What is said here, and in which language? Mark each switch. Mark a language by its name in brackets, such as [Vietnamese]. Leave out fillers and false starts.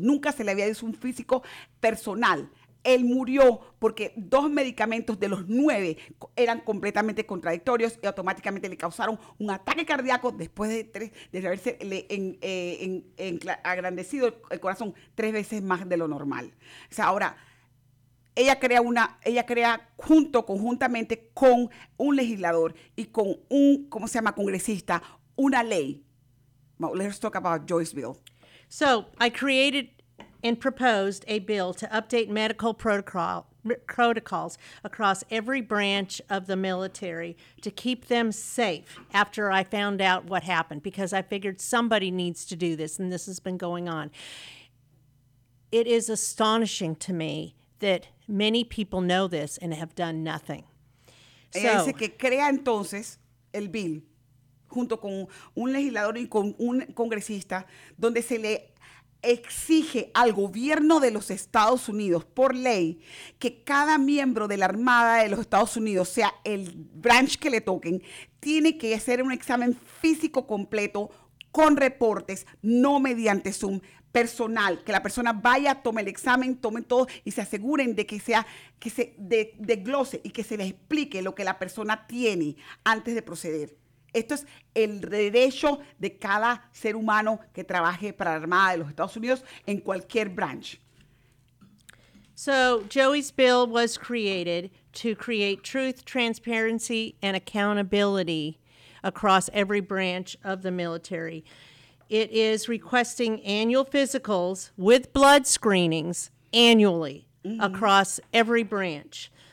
[Spanish] Nunca se le había hecho un físico personal. Él murió porque 2 medicamentos de los 9 eran completamente contradictorios y automáticamente le causaron un ataque cardíaco después de agrandecido el corazón 3 veces más de lo normal. O sea, ahora, ella crea conjuntamente con un legislador y con un, ¿cómo se llama?, congresista, una ley. [English] Well, let's talk about Joyce Bill. So, I created and proposed a bill to update medical protocols across every branch of the military to keep them safe after I found out what happened, because I figured somebody needs to do this, and this has been going on. It is astonishing to me that many people know this and have done nothing. [Spanish] Ella dice que crea entonces el bill junto con un legislador y con un congresista, donde se le exige al gobierno de los Estados Unidos, por ley, que cada miembro de la Armada de los Estados Unidos, sea el branch que le toquen, tiene que hacer un examen físico completo con reportes, no mediante Zoom, personal, que la persona vaya, tome el examen, tome todo y se aseguren de que sea, que se desglose y que se les explique lo que la persona tiene antes de proceder. Esto es el derecho de cada ser humano que trabaje para la Armada de los Estados Unidos en cualquier branch. [English] So, Joey's bill was created to create truth, transparency, and accountability across every branch of the military. It is requesting annual physicals with blood screenings annually across every branch.